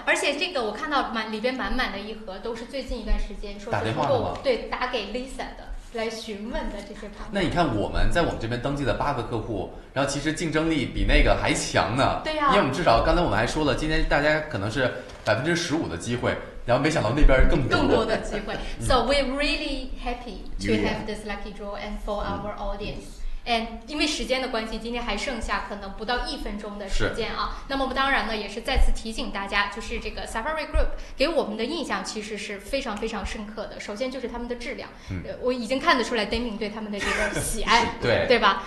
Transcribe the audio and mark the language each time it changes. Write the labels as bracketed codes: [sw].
[zh] 而且这个我看到满里边满满的一盒，都是最近一段时间说打电话的吗？对，打给 Lisa 的来询问的这些房子。那你看我们在我们这边登记的八个客户，然后其实竞争力比那个还强呢。对呀、啊，因为我们至少刚才我们还说了，今天大家可能是15%的机会。然后没想到那边更多的机会。 [en] So we're really happy to have this lucky draw and for our audience. [zh] And 因为时间的关系，今天还剩下可能不到一分钟的时间啊。那么当然呢，也是再次提醒大家，就是这个 Safari Group 给我们的印象其实是非常非常深刻的。首先就是他们的质量，我已经看得出来 Deming 对他们的这个喜爱，对吧？